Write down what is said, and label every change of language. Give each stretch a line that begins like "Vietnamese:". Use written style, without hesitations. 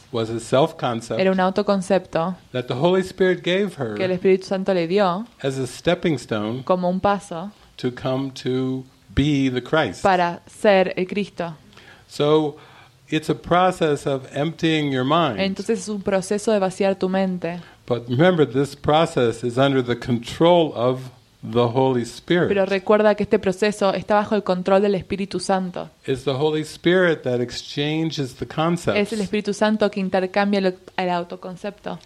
English: was a self-concept,
Spanish: era un autoconcepto,
English: that the Holy Spirit gave her,
Spanish: que el Espíritu Santo le dio,
English: as a stepping stone,
Spanish: como un paso,
English: to come to be the Christ,
Spanish: para ser el Cristo.
English: So, it's a process of emptying your mind.
Spanish: Entonces es un proceso de vaciar tu mente.
English: But remember, this process is under the control of the Holy Spirit.
Spanish: Pero recuerda que este proceso está bajo el control del Espíritu Santo.
English: It's the Holy Spirit that exchanges the concepts.
Spanish: Es el Espíritu Santo que intercambia el autoconcepto.